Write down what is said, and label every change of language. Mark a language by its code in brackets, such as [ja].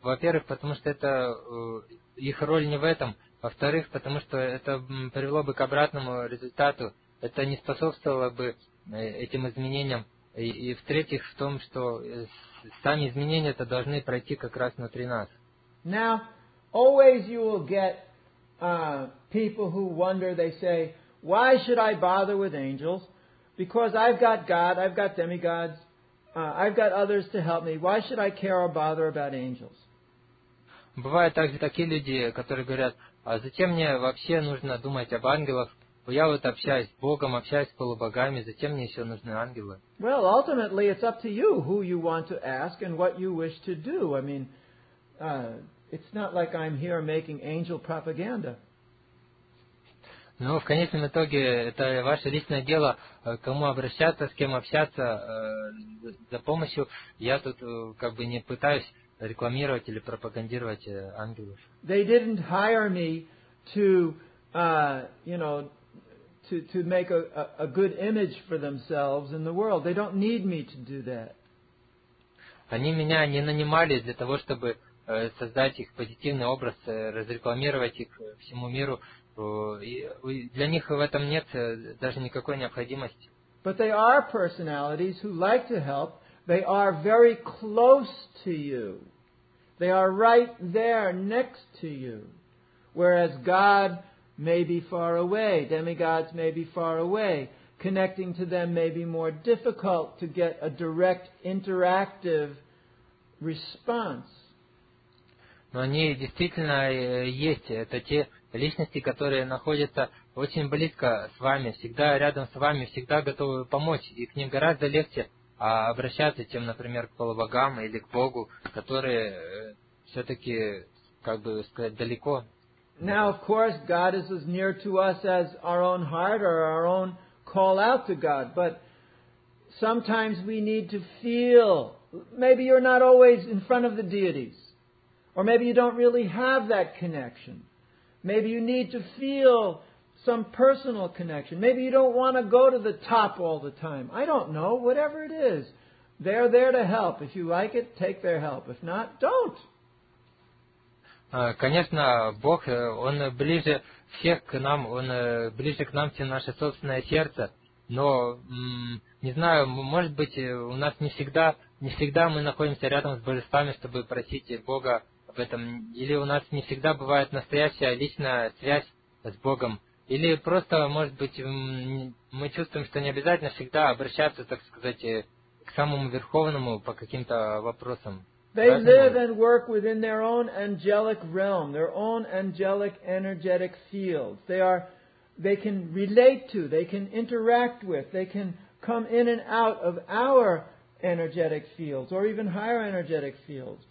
[ru] Во-первых, потому что это их роль не в этом. Во-вторых, потому что это привело бы к обратному результату. Это не способствовало бы этим изменениям. И в-третьих, в том, что сами изменения это должны пройти как раз внутри нас. [en] Now, always you will get people who wonder, they say, why should I bother with angels? Because I've got God, I've got demigods, I've got others to help me. Why should I care or bother about angels? [ru] Бывают также такие люди, которые говорят, а зачем мне вообще нужно думать об ангелах? я вот общаюсь с Богом, общаюсь с полубогами, зачем мне еще нужны ангелы? [en] Well, ultimately, it's up to you who you want to ask and what you wish to do. I mean, it's not like I'm here making angel propaganda. [ru] Ну, в конечном итоге, это ваше личное дело, кому обращаться, с кем общаться за помощью. Я тут как бы не пытаюсь рекламировать или пропагандировать ангелов. [en] They didn't hire me to, you know, to make a good image for themselves in the world. They don't need me to do that. [ru] Они меня не нанимали для того, чтобы создать их позитивный образ, разрекламировать их всему миру. Для них в этом нет даже никакой необходимости. [en] But they are personalities who like to help. They are very close to you. They are right there next to you. Whereas God may be far away. Demigods may be far away. Connecting to them may be more difficult to get a direct interactive response. [ru] Но они действительно есть. Это те личности, которые находятся очень близко с вами, всегда рядом с вами, всегда готовы помочь. И к ним гораздо легче обращаться, чем, например, к полубогам или к Богу, которые все-таки, как бы сказать, далеко. [en] Now, of course, God is as near to us as our own heart or our own call out to God. But sometimes we need to feel. Maybe you're not always in front of the deities. Or maybe you don't really have that connection. Maybe you need to feel some personal connection. Maybe you don't want to go to the top all the time. I don't know. Whatever it is, they're there to help. If you like it, take their help. If not, don't. [ru] Конечно, Бог, Он ближе всех к нам, Он ближе к нам, чем наше собственное сердце. Но, не знаю, может быть, у нас не всегда мы находимся рядом с божествами, чтобы просить Бога об этом. Или у нас не всегда бывает настоящая личная связь с Богом. Или просто, может быть, мы чувствуем, что не обязательно всегда обращаться, так сказать, к самому Верховному по каким-то вопросам. [en] They live and work within their own angelic realm, their own angelic energetic fields. They can relate to, they can interact with, they can come in and out of our energetic fields or even higher energetic fields.